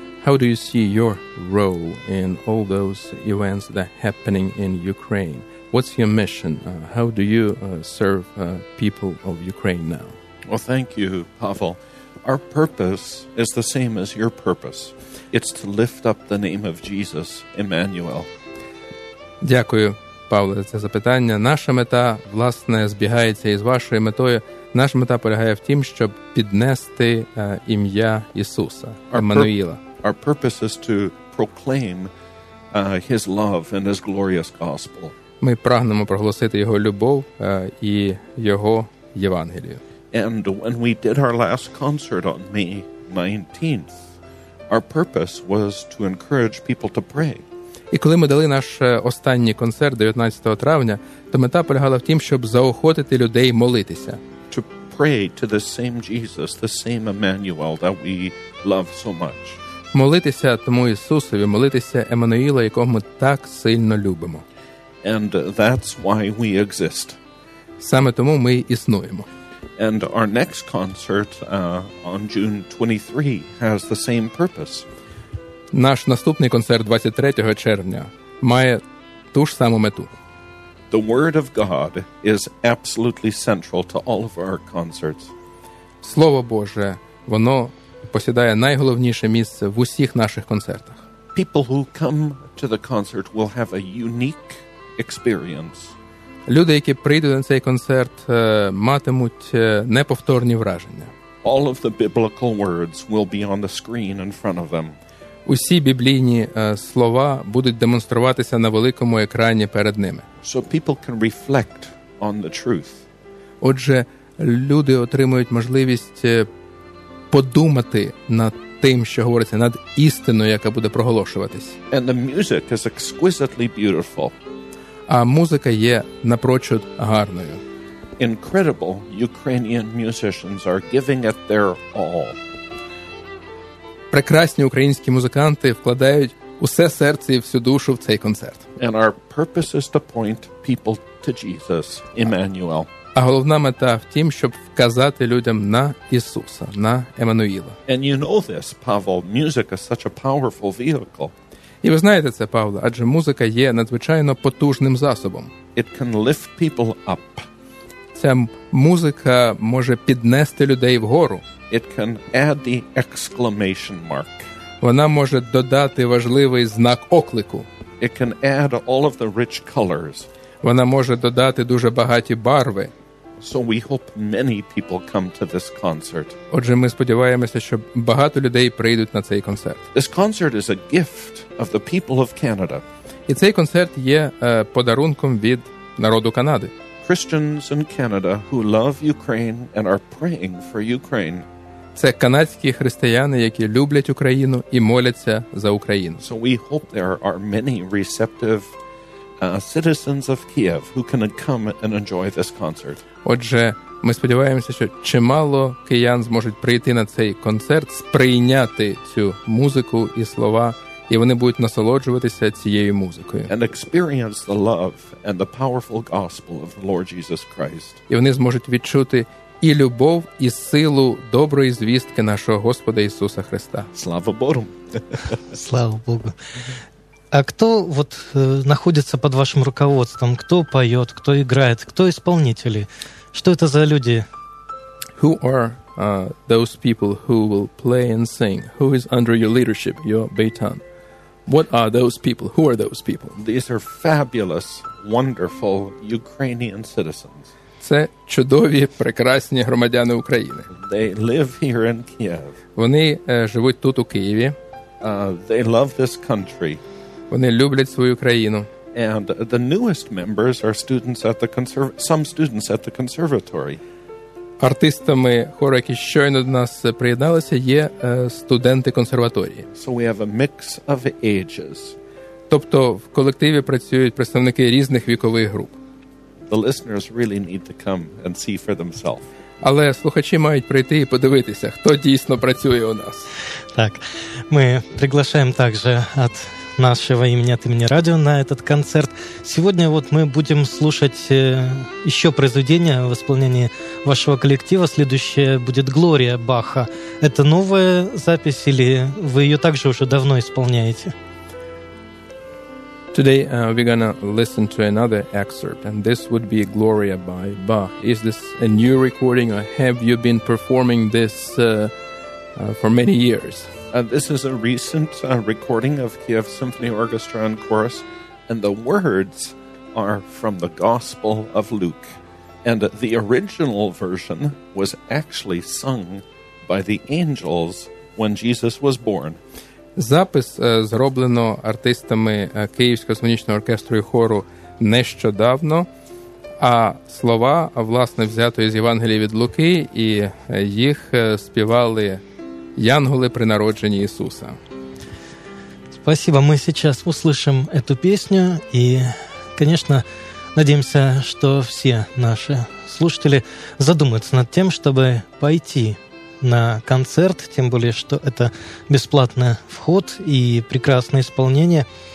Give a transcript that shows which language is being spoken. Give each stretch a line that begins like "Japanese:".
English: How do you see your role in all those events that are happening in Ukraine? What's your mission? How do you serve people of Ukraine now? Well, thank you, Pavel. Our purpose is the same as your purpose. It's to lift up the name of Jesus, Emmanuel.
Ukrainian: Дякую, Павло, за це запитання. Наша мета, власне, збігається із вашою метою. Наша мета полягає в тім, щоб піднести ім'я Ісуса, Еммануїла.
English: Our purpose is to proclaim his love and his glorious gospel.
Ukrainian: Ми прагнемо проголосити його любов і його Євангелію.
English: And when we did our last concert on May 19th, our purpose was to encourage people to pray.
Ukrainian: І коли ми дали наш останній концерт 19 травня, то мета полягала в тім, щоб заохотити людей молитися.
English: pray to the same Jesus, the same Emmanuel that we love so much.
Ukrainian: Молитися тому Ісусові, молитися Еммануїла, якого ми так сильно любимо.
English: And that's why we exist.
Ukrainian: Саме тому ми існуємо.
English: And our next concert on June 23 has the same purpose.
Ukrainian: Наш наступний концерт 23 червня має ту ж саму мету.
English: The word of God is absolutely central to all of our concerts.
Ukrainian: Слово Боже, воно посідає найголовніше місце в усіх наших концертах.
English: People who come to the concert will have a unique experience.
Ukrainian: Люди, які прийдуть на цей концерт, матимуть неповторні враження.
English: All of the biblical words will be on the screen in front of them.
Ukrainian: Усі біблійні слова будуть демонструватися на великому екрані перед ними.
English: So people can reflect on the truth.
Ukrainian: Отже, люди отримують можливість подумати над тим, що говориться, над істиною, яка буде проголошуватись.
English: And the music is exquisitely beautiful.
Ukrainian: А музика є напрочуд гарною.
English: Incredible Ukrainian musicians are giving it their all.
Ukrainian: Прекрасні українські музиканти вкладають усе серце і всю душу в цей концерт.
English: And our purpose is to point people to Jesus, Emmanuel.
Ukrainian: А головна мета в тім, щоб вказати людям на Ісуса, на Еммануїла.
English: And you know this, Pavel, music is such a powerful vehicle.
Ukrainian: І ви знаєте це, Павло, адже музика є надзвичайно потужним засобом.
English: It can lift people up.
Ukrainian: Ця музика може піднести людей вгору.
English: It can add the exclamation mark.
Ukrainian: Вона може додати важливий знак оклику.
English: It can add all of the rich colors.
Ukrainian: Вона може додати дуже багаті барви.
English: So we hope many people come to this concert.
Ukrainian: Отже, ми сподіваємося, що багато людей прийдуть на цей концерт.
English: This concert is a gift of the people of Canada.
Ukrainian: І цей концерт є подарунком від народу Канади.
English: Christians in Canada who love Ukraine and are praying for Ukraine.
Ukrainian: Це канадські християни, які люблять Україну і моляться за Україну.
English: So we hope there are many receptive citizens of Kiev who can come and enjoy this concert.
Ukrainian: Отже, ми сподіваємося, що чимало киян зможуть прийти на цей концерт, сприйняти цю музику і слова, і вони будуть насолоджуватися цією музикою.
English: And experience the love and the powerful gospel of the Lord Jesus Christ.
Ukrainian: І вони зможуть відчути і любов, і силу доброї звістки нашого Господа Ісуса Христа. Слава Богу. Слава Богу.
Russian: А кто вот находится под вашим руководством? Кто поёт, кто играет, кто исполнители? Что это за люди?
English: Who are those people who will play and sing? Who is under your leadership, your baton? What are those people? Who are those people? These are fabulous, wonderful Ukrainian citizens.
Ukrainian: Це чудові, прекрасні громадяни України.
English: They live here in Kiev.
Ukrainian: Вони живуть тут у Києві.
English: They love this country.
Ukrainian: Вони люблять свою країну.
English: And the newest members are students at the some students at the conservatory.
Ukrainian: Артистами хору, які щойно до нас приєдналися, є студенти консерваторії.
English: So we have a mix of ages.
Ukrainian: Тобто в колективі працюють представники різних вікових груп.
English: The listeners really need to come and see for themselves.
Ukrainian: Але слухачі мають прийти і подивитися, хто дійсно працює у нас. Так. Ми приглашаємо також від
Russian: нашего имени, от имени радио, на этот концерт. Сегодня вот мы будем слушать еще произведение в исполнении вашего коллектива. Следующее будет «Глория» Баха. Это новая запись или вы ее также уже давно исполняете?
English: Today we're gonna listen to another excerpt, and this would be «Глория» by Bach. Is this a new recording, or have you been performing this for many years? This is a recent recording of Kiev Symphony Orchestra and Chorus, and the words are from the Gospel of Luke. And the original version was actually sung by the angels when Jesus was born.
Ukrainian: Запис зроблено артистами Київського симфонічного оркестру і хору нещодавно, а слова, власне, взято із Євангелії від Луки, і їх співали Янголи при народженні Ісуса.
Russian: Спасибо, ми сейчас услышим эту песню, и, конечно, Надеемся, что все наши слушатели задумаются над тем, чтобы пойти на концерт, тем более, что это бесплатный вход и прекрасное исполнение.